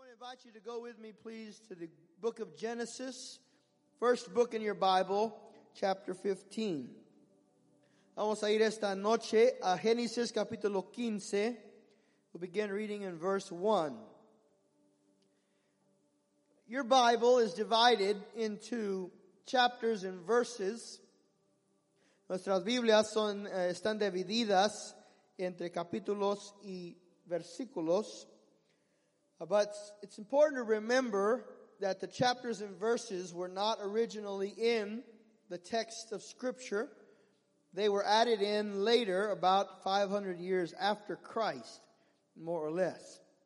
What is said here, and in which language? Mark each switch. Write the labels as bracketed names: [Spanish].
[English] invite you to go with me, please, to the book of Genesis, first book in your Bible, chapter 15. [Spanish] Vamos a ir esta noche a Génesis capítulo 15. [English] We'll begin reading in verse 1. Your Bible is divided into chapters and verses. [Spanish] Nuestras Biblias están divididas entre capítulos y versículos. [English] But it's important to remember that the chapters and verses were not originally in the text of Scripture. They were added in later, about 500 years after Christ, more or less.